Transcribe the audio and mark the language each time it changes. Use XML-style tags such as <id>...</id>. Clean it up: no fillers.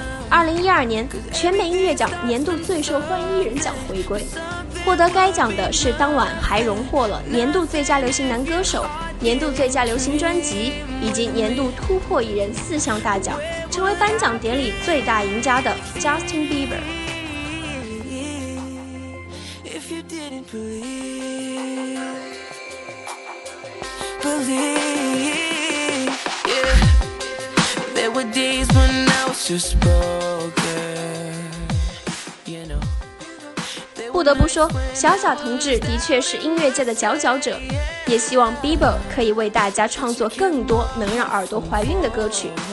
<zh>2012年，全美音乐奖年度最受欢迎艺人奖回归，获得该奖的是当晚还荣获了年度最佳流行男歌手、年度最佳流行专辑以及年度突破艺人四项大奖，成为颁奖典礼最大赢家的 Justin Bieber。</zh> <en>If you didn't believe, believe, yeah. There were days when I was just broken, you know.</en> <zh>不得不说，小小同志的确是音乐界的佼佼者，也希望 Bieber 可以为大家创作更多能让耳朵怀孕的歌曲。</zh>